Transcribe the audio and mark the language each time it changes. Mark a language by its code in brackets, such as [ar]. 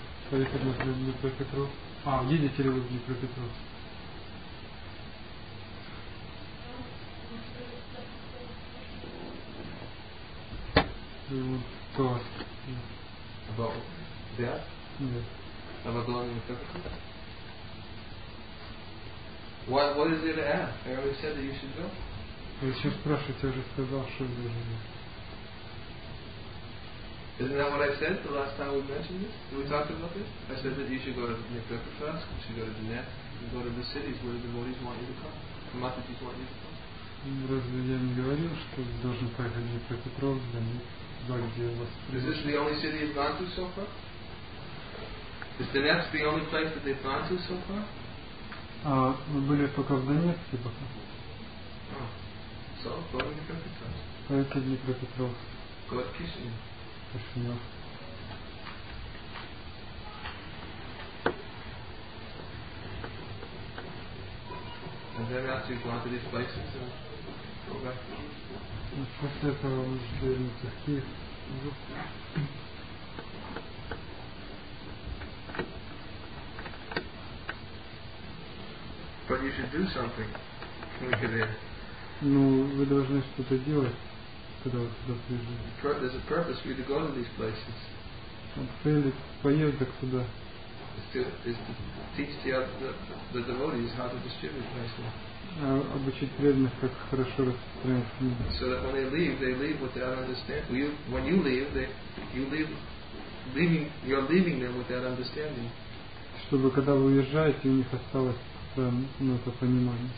[ru] Поехали в Днепропетровск. А, едете ли вы в Днепропетровск? Кто? [en] About that? [ru] Нет. [en] About going to Днепропетровск? What is there to ask? I already said that you should go. [ru] Зачем спрашивать? Я уже сказал, что вы должны. [en] Isn't that what I said the last time we mentioned this? We talked about this? I said that you should go to Dnipropetrovsk, you should go to Donetsk, and go to the cities where the devotees want you to come, the Matadis want you to come. [ru] Разве я не говорил, что должен поехать в Днепропетровск, Донецк, где у вас... [en] Is this the only city you've gone to so far? Is Donetsk the only place that they've gone to so far? [ru] А, мы были только в Донецке пока. [en] So, go to Dnipropetrovsk. [ru] Поехали в Днепропетровск. [en] Go to Kishinev. And then after you've gone to these places, go back to the east. What's that problem with the Kiev? Yeah. But you should do something when you get there. [ru] Ну, вы должны что-то делать. Когда вы туда приезжаете. [en] There's a purpose for you to go to these places. [ru] Цель поездок туда. [en] Is to teach the devotees how to distribute nicely. [ru] Обучить преданных, как хорошо распространять книги. [en] So that when they leave without understanding. When you leave, you're leaving them without understanding. [ru] Чтобы когда вы уезжаете, у них осталось это понимание.